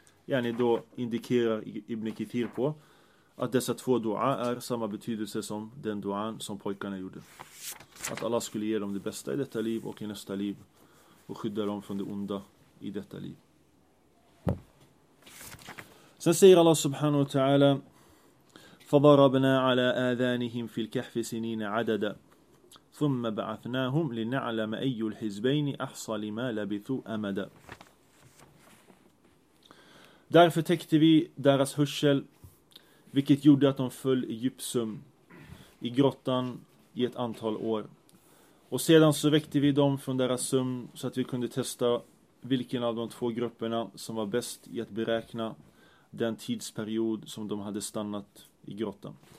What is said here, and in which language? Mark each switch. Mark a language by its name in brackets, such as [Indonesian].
[Swedish] yani då indikerar Ibn Kithir på att dessa två dua är samma betydelse som den duan som pojkarna gjorde. Att Allah skulle ge dem det bästa i detta liv och i nästa liv och skydda dem från det onda i detta liv. Sen säger [Arabic] Allah subhanahu wa ta'ala فَضَرَبْنَا عَلَىٰ آذَانِهِمْ فِي الْكَحْفِ سِنِينَ عَدَدًا ثُمَّ بَعَثْنَاهُمْ لِنَعْلَمَ أَيُّ الْحِزْبَيْنِ أَحْصَى لِمَا لَبِثُوا أَمَدًا. [Swedish] Därför täckte vi deras hörsel, vilket gjorde att de föll i djupsum i grottan i ett antal år. Och sedan så väckte vi dem från deras sömn så att vi kunde testa vilken av de två grupperna som var bäst i att beräkna den tidsperiod som de hade stannat i grottan.